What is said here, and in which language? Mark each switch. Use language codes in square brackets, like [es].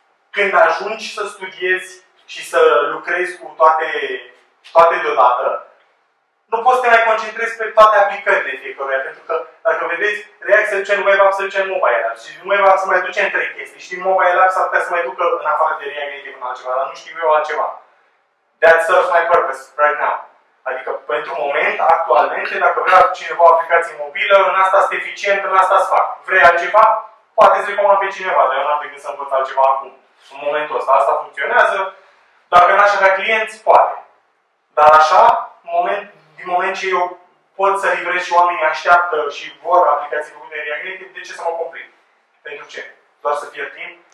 [ro] Când ajungi să studiezi și să lucrezi cu toate deodată, nu poți să te mai concentrezi pe toate aplicările fiecăruia, pentru că, dacă vedeți, React să duce în Web App, să duce în Mobile App și Web App să mai duce în trei chestii. Și Mobile App s-ar putea să mai ducă în afară de React Native în altceva, dar nu știu eu altceva. [en] That serves my purpose right now. [ro] Adică, pentru moment, actualmente, dacă vrea cineva o aplicație mobilă, în asta sunt eficient, în asta îți fac. Vrei altceva? Poate să-i comand pe cineva, dar eu n-am de gând să învăț altceva acum, în momentul ăsta. Asta funcționează. Dacă n-aș avea clienți, poate. Dar așa, din moment ce eu pot să livrez și oamenii așteaptă și vor aplicații făcute în React Native, de ce să mă complic? Pentru ce? Doar să pierd timp?